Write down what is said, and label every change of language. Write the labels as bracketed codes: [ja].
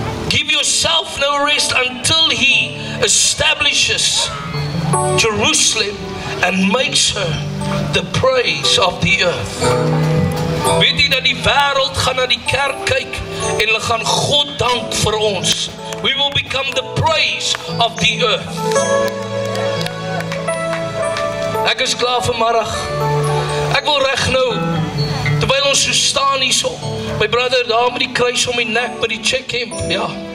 [en] Give yourself no rest until he establishes Jerusalem and makes her the praise of the earth. [af] Weet jy dat die wêreld gaan na die kerk kyk en hulle gaan God dank vir ons. [en] We will become the praise of the earth. [af] Ek is klaar vanmôre. Ek wil reg nou, terwyl ons so staan hierso, [en] my brother [af] daar met die kruis om die nek by die check-in, ja.